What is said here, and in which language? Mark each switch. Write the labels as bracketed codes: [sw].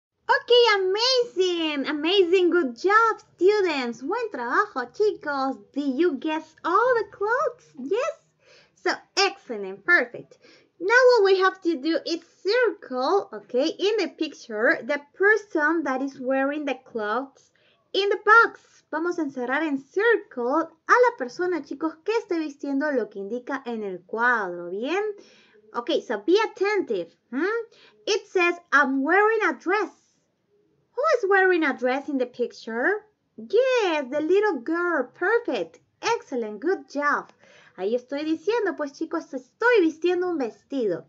[en] Okay, amazing, amazing, good job, students. [es] Buen trabajo, chicos. [en] Did you guess all the clothes? Yes? So, excellent, perfect. Now what we have to do is circle, okay, in the picture, the person that is wearing the clothes in the box. [es] Vamos a encerrar en circle a la persona, chicos, que esté vistiendo lo que indica en el cuadro, ¿bien? [en] Okay, so be attentive. It says, I'm wearing a dress. Who is wearing a dress in the picture? Yes, the little girl. Perfect. Excellent. Good job. [es] Ahí estoy diciendo, pues chicos, estoy vistiendo un vestido.